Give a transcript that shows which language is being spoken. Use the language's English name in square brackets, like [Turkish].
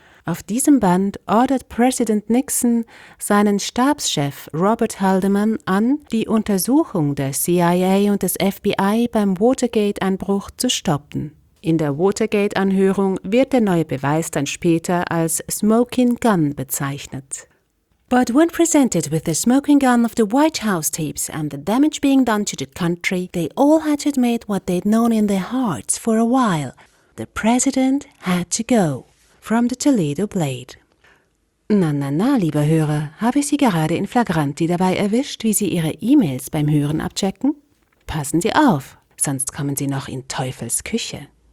[German] Auf diesem Band ordert Präsident Nixon seinen Stabschef Robert Haldeman an, die Untersuchung der CIA und des FBI beim Watergate-Einbruch zu stoppen. In der Watergate-Anhörung wird der neue Beweis dann später als Smoking Gun bezeichnet. [English] But when presented with the smoking gun of the White House tapes and the damage being done to the country, they all had to admit what they'd known in their hearts for a while. The president had to go. From the Toledo Blade. [German] Na, na, na, lieber Hörer, habe ich Sie gerade in flagranti dabei erwischt, wie Sie Ihre E-Mails beim Hören abchecken? Passen Sie auf, sonst kommen Sie noch in Teufels Küche.